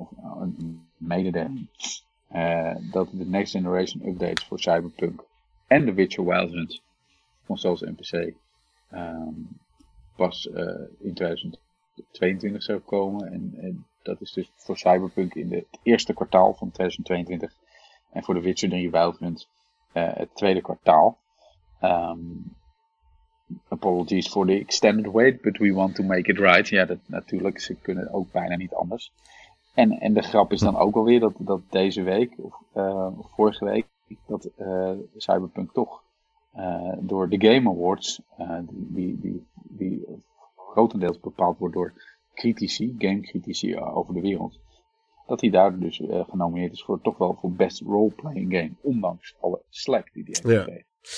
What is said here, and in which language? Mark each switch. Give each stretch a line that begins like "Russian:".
Dutch: Of een mededeling. Dat de Next Generation updates voor Cyberpunk en The Witcher Wildlands, van zelfs NPC, pas in 2022 zou komen. En dat is dus voor Cyberpunk in het eerste kwartaal van 2022. En voor The Witcher 3 Wildlands. Het tweede kwartaal.
English: Apologies for the extended wait, but we want to make it right.
Dutch: Ja, dat, natuurlijk, ze kunnen ook bijna niet anders. En de grap is dan ook alweer dat deze week, of vorige week, dat Cyberpunk toch door de Game Awards, die grotendeels bepaald wordt door critici, gamecritici over de wereld, dat hij daar dus genomineerd is voor best roleplaying game, ondanks alle slack die hij heeft gekregen.